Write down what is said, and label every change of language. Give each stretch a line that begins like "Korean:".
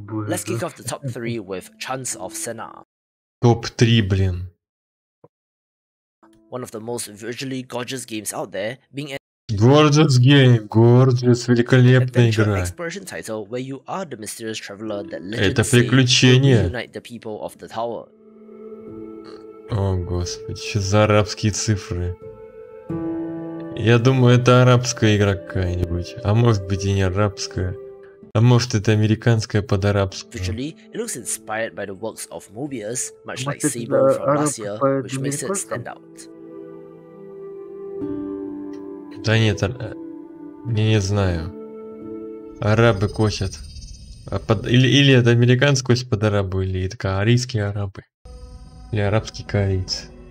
English: Let's kick off the top three with Chants of Senna.
Russian: Топ 3, блин.
English: One of the most visually gorgeous games out there, being a gorgeous game, gorgeous,
Russian: великолепная игра.
English: Adventure exploration title where you are the mysterious traveler that legend say will unite the people of the tower.
Russian: О господи, что за арабские цифры? Я думаю, это арабская игра какая-нибудь. А может быть и не арабская. А может это американская под арабскую.
English: Actually, it looks inspired by the works of Mobius, much like Saber from last year, which makes it stand out.
Russian: Да нет, я не знаю. Арабы косят. А под, или это американская кость под арабы, или это корейские арабы. Или арабский корейцы.